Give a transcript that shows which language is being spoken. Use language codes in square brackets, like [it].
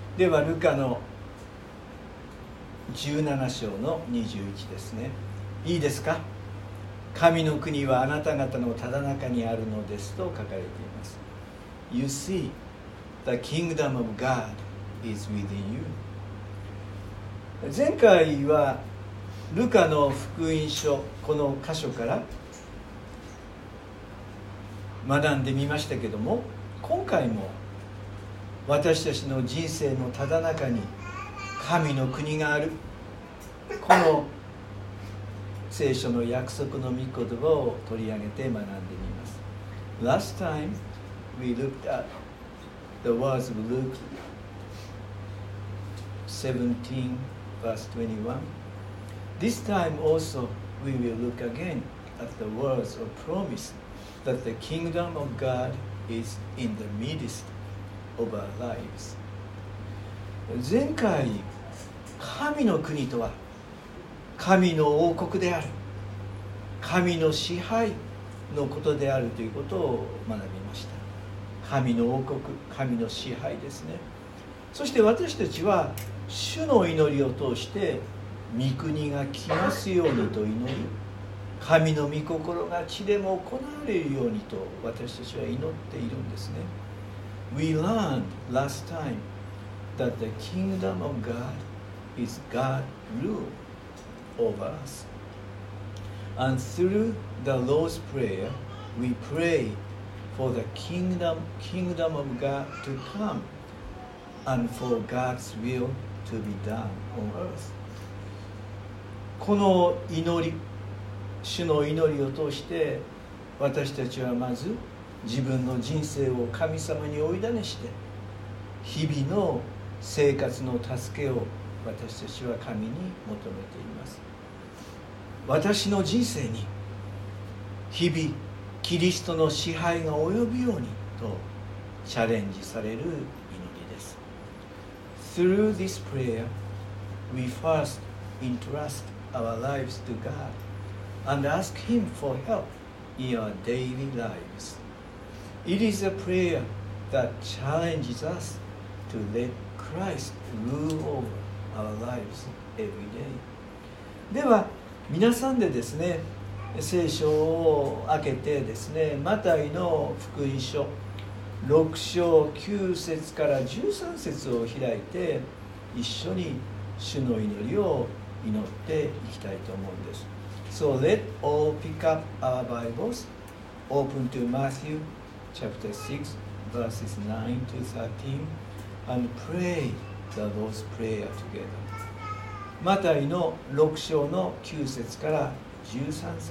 [ja] ではルカの17章の21ですね。いいですか。神の国はあなた方のただ中にあるのですと書かれています。 [en] You see, the kingdom of God is within you。 [ja] 前回はルカの福音書、この箇所から学んでみましたけども、今回も私たちの人生のただ中に神の国がある、この聖書の約束の御言葉を取り上げて学んでみます。 [en] Last time we looked at the words of Luke 17 verse 21. This time also we will look again at the words of promise that the kingdom of God is in the midst of our lives. [ja] 前回、神の国とは神の王国である、神の支配のことであるということを学びました。神の王国、神の支配ですね。そして私たちは主の祈りを通して御国が来ますようにと祈り、神の御心が地でも行われるようにと私たちは祈っているんですね。 [en] We learned last time that the kingdom of God is God rule over us. And through the Lord's Prayer, we pray for the kingdom of God to come and for God's will to be done on earth. [ja] この祈り、主の祈りを通して私たちはまず自分の人生を神様に委ねして、日々の生活の助けを私たちは神に求めています。私の人生に日々キリストの支配が及ぶようにとチャレンジされる祈りです。 [en] Through this prayer we first entrust our lives to God and ask Him for help in our daily lives. It is a prayer that challenges us to let Christ rule overOur lives every day. [ja] では皆さんでですね、聖書を開けてですね、マタイの福音書6章9節から13節を開いて、一緒に主の祈りを祈っていきたいと思うんです。 [en] So let all pick up our Bibles, open to Matthew chapter 6 verses 9 to 13 and prayThe Lord's Prayer together. [ja] マタイの6章の9節から13節ですね。